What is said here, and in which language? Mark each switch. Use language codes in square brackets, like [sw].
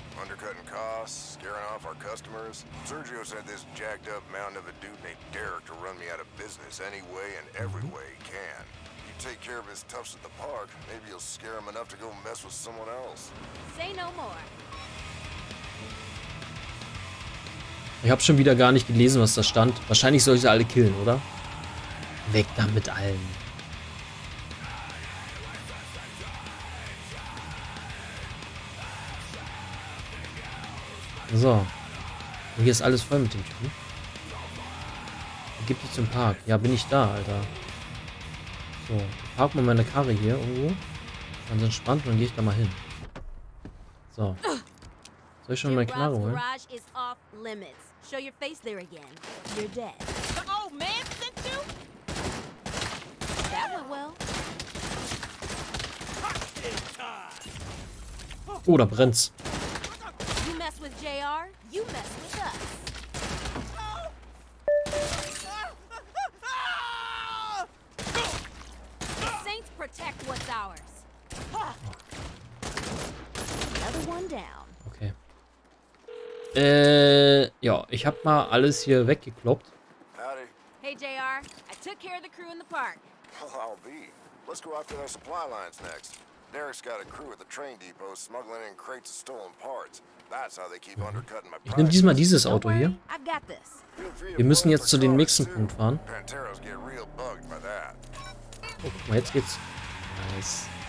[de] Undercutting costs, scaring off our customers. Sergio said this jacked up mound of a dude named Derek to run me out of business any way and every way he can. You take care of his toughs at the park, maybe you'll scare him enough to go mess with someone else. Say no more. Ich hab schon wieder gar nicht gelesen, was da stand. Wahrscheinlich soll ich sie alle killen, oder? Weg da mit allen. So. Und hier ist alles voll mit dem Typen. Gib dich zum Park. Ja, bin ich da, Alter. So. Park mal meine Karre hier irgendwo. Dann sind entspannt und gehe ich da mal hin. So. Soll ich schon meine Knarre holen? [en] Garage is off limits. Show your face there again. You're dead. The old man sent you? That went well. [de] Oh, da brennt's. [en] With JR, you mess with us. The Saints protect what's ours. Another one down. Okay. [de] Ja, ich hab mal alles hier weggekloppt. [en] Howdy. Hey JR, I took care of the crew in the park. Well, I'll be. Let's go after their supply lines next. Derek's got a crew at the train depot smuggling in crates of stolen parts. That's how they keep undercutting my price. [de] Ich nehme diesmal dieses Auto hier. Wir müssen jetzt zu dem nächsten Punkt fahren. Oh, guck mal, jetzt geht's. Nice.